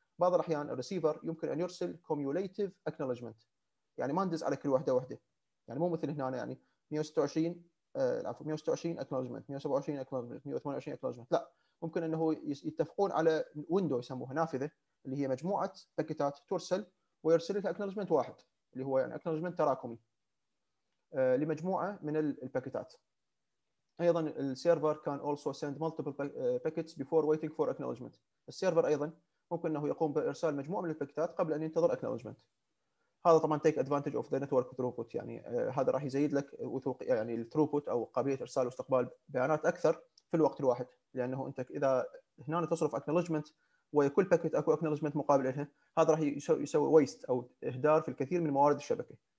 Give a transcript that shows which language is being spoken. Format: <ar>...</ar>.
<ar>بعض الاحيان الريسيفر يمكن ان يرسل كوميوليتيف اكنولجمنت، يعني ما ندز على كل واحده واحده، يعني مو مثل هنا يعني 126 عفوا 126 اكنولجمنت، 127 اكنولجمنت، 128 اكنولجمنت. لا، ممكن انه يتفقون على ويندو يسموها نافذه، اللي هي مجموعه باكيتات ترسل ويرسل لها اكنولجمنت واحد، اللي هو يعني اكنولجمنت تراكمي لمجموعه من الباكيتات. ايضا السيرفر كان</ar> <en>also send multiple packets before waiting for acknowledgement.</en> <ar>السيرفر ايضا ممكن انه يقوم بارسال مجموعه من الباكيتات قبل ان ينتظر acknowledgement. هذا طبعا</ar> <en>take advantage of the network throughput،</en> <ar>يعني هذا راح يزيد لك يعني الثروبوت او قابليه ارسال واستقبال بيانات اكثر في الوقت الواحد، لانه انت اذا هنا تصرف acknowledgement وكل باكيت اكو acknowledgement مقابل لها، هذا راح يسوي ويست او اهدار في الكثير من موارد الشبكه.</ar>